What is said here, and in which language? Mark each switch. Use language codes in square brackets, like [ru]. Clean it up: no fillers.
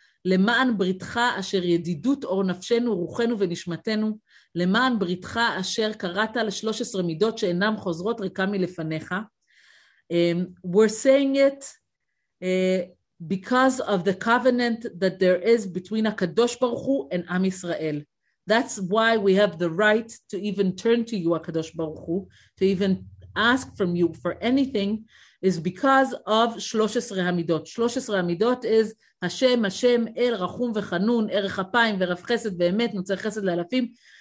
[he] למען בריתך אשר ידידות אור נפשנו, רוחנו ונשמתנו, למען בריתך אשר קראת ל-13 מידות שאינם חוזרות ריקה מלפניך. [en] We're saying it because of the covenant that there is between הקדוש ברוך הוא and עם ישראל. That's why we have the right to even turn to you, הקדוש ברוך הוא, to even ask from you for anything, is because of 13 המידות. [he] 13 המידות is השם, השם, אל, רחום וחנון, ערך אפיים ורב חסד, באמת, נוצר חסד לאלפים.